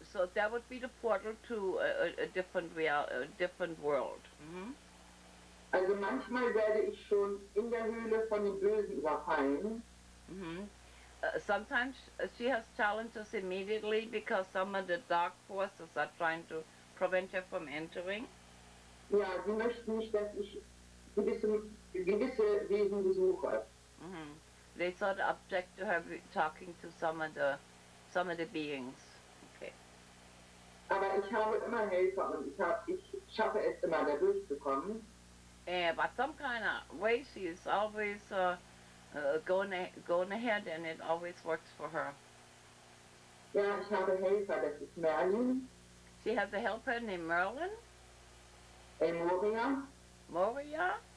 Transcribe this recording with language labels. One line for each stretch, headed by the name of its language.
English: So that would be the portal to a different world. Mm-hmm.
German: Also manchmal werde ich schon in der Höhle von den Bösen überfallen. Mm-hmm.
English: Sometimes she has challenges immediately because some of the dark forces are trying to prevent her from entering.
German: Ja, sie möchten nicht, dass ich gewisse Wesen besuche. Mm-hmm.
English: They sort of object to her talking to some of the beings. Okay.
German: Aber ich habe immer Helfer und ich schaffe es immer, da durchzukommen.
English: Yeah, but some kind of way she is always going ahead, and it always works for her.
German: Yeah, ich habe Helfer, das ist Merlin.
English: She has a helper named Merlin. A Moria. Moria.